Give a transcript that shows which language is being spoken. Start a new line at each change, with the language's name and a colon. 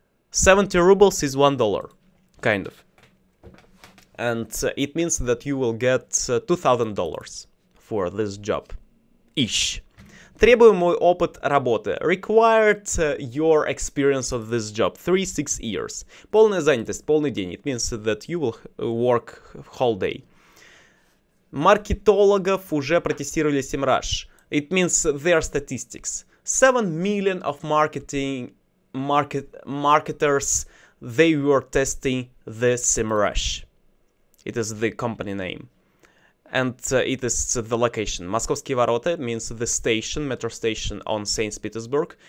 English: 70 rubles is $1, kind of. And it means that you will get $2,000 for this job. Ish.
Russian: Требуемый опыт работы.
English: Required your experience of this job. 3-6 years.
Russian: Полная занятость. Полный день.
English: It means that you will work whole day.
Russian: Маркетологов уже протестировали 7 раз.
English: It means their statistics. 7 million of marketers, they were testing the Semrush. It is the company name. And it is the location. Московские ворота means the station, metro station on St. Petersburg.